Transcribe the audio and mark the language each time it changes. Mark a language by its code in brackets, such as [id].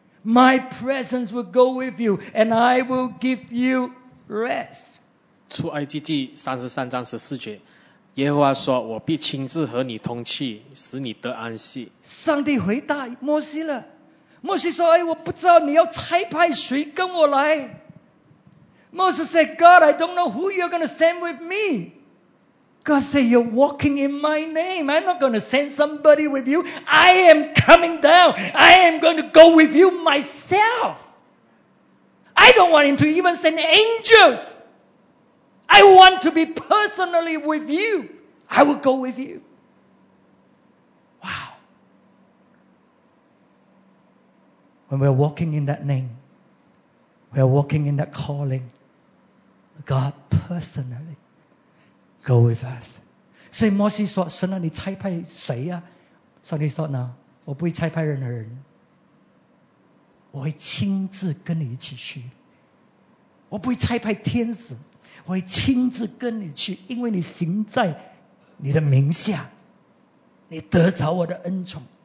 [en] My presence will go with you, and I will give you. Rest. [zh] 出埃及记33:14，耶和华说：“我必亲自和你同去，使你得安息。” 上帝回答摩西了。摩西说：“哎，我不知道你要差派谁跟我来。 [en] ”Moses said, "God, I don't know who you're going to send with me." God said, "You're walking in my name. I'm not going to send somebody with you. I am coming down. I am going to go with you myself." I don't want him to even send angels. I want to be personally with you. I will go with you. Wow. When we're walking in that name, we're walking in that calling, God personally go with us. [zh] 所以摩西说，神啊，你差派谁啊？上帝说呢，我不会差派任何人。我会亲自跟你一起去，我不会差派天使，我会亲自跟你去，因为你行在你的名下，你得着我的恩宠。